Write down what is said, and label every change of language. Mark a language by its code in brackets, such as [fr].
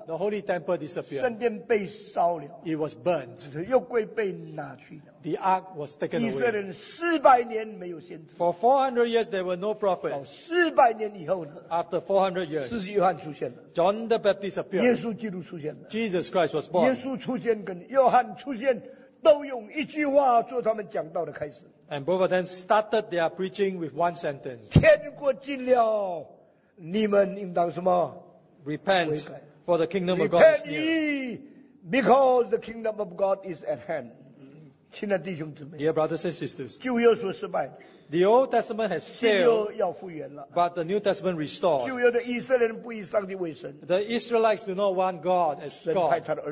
[en] the holy temple disappeared. [zh] 圣殿被烧了, [en] it was burnt. [zh] 又归被拿去了, [en] the ark was taken away. [zh] 以色列人400年没有先知, [en] for 400 years there were no prophets. [zh] 到400年以后呢, [en] after 400 years, [zh] 使徒约翰出现了, [en] John the Baptist appeared. [zh] 耶稣基督出现了, [en] Jesus Christ was born. [zh] 耶稣出现跟约翰出现, 都用一句话做他们讲道的开始。 [en] And both of them started their preaching with one sentence. [zh] 天国近了, 你们应当什么? [en] Repent, [zh] 悔改, [en] for the kingdom repent of God is near. Because the kingdom of God is at hand. [zh] 亲爱弟兄姊妹, [en] dear brothers and sisters, [zh] 旧约说失败, [en] the Old Testament has failed, but the New Testament restored. The Israelites do not want God as God.